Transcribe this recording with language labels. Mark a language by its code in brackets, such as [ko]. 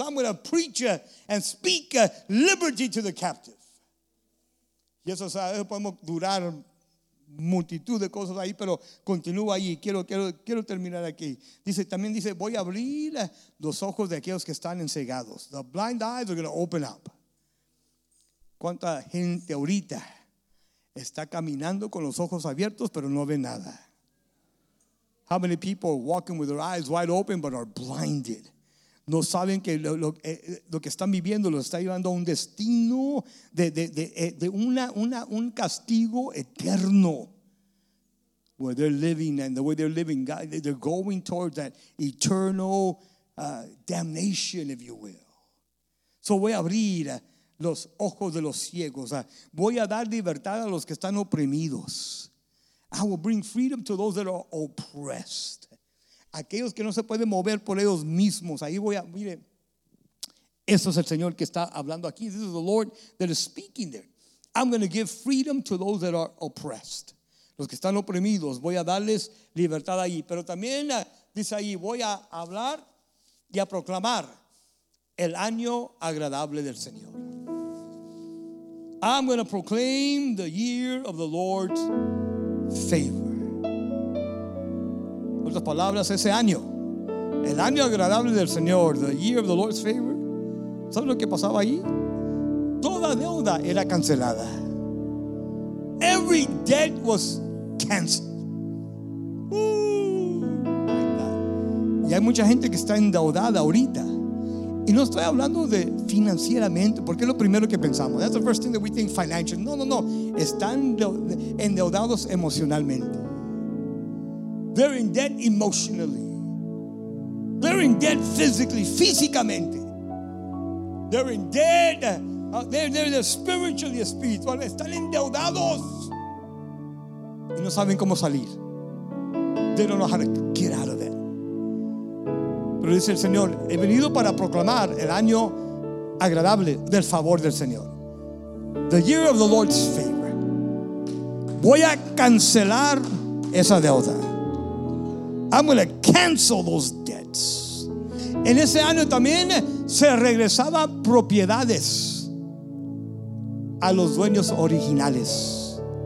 [en] I'm going to preach and speak liberty to the captive. [es] Y eso, ¿sabes? Podemos durar multitud de cosas ahí, pero continúo ahí. Quiero terminar aquí. Dice, también dice, voy a abrir los ojos de aquellos que están encegados. [en] The blind eyes are going to open up. [es] ¿Cuánta gente ahorita está caminando con los ojos abiertos, pero no ve nada? [en] How many people are walking with their eyes wide open but are blinded? [es] No saben que lo que están viviendo los está llevando a un destino de un castigo eterno. [en] Where they're living and the way they're living, God, they're going towards that eternal damnation, if you will. [es] So voy a abrir los ojos de los ciegos. Voy a dar libertad a los que están oprimidos. [en] I will bring freedom to those that are oppressed. [es] Aquellos que no se pueden mover por ellos mismos. Ahí voy a, mire, eso es el Señor que está hablando aquí. [en] This is the Lord that is speaking there. I'm going to give freedom to those that are oppressed. [es] Los que están oprimidos, voy a darles libertad allí. Pero también dice ahí, voy a hablar y a proclamar el año agradable del Señor. [en] I'm going to proclaim the year of the Lord's favor. [es] En otras palabras, ese año, el año agradable del Señor, [en] the year of the Lord's favor. [es] ¿Sabes lo que pasaba ahí? Toda deuda era cancelada. [en] Every debt was canceled. [es] Y hay mucha gente que está endeudada ahorita. Y no estoy hablando de financieramente, porque es lo primero que pensamos. [en] That's the first thing that we think financial. [es] No, no, no. Están endeudados emocionalmente. [en] They're in debt emotionally. They're in debt physically, físicamente. They're in debt. They're spiritually, [es] espiritual. Están endeudados. Y no saben cómo salir. [en] They don't know how to get out of it. [es] Pero dice el Señor, he venido para proclamar el año agradable del favor del Señor. [en] The year of the Lord's favor. [es] Voy a cancelar esa deuda. [en] I'm going to cancel those debts. [es] En ese año también se regresaba propiedades a los dueños originales.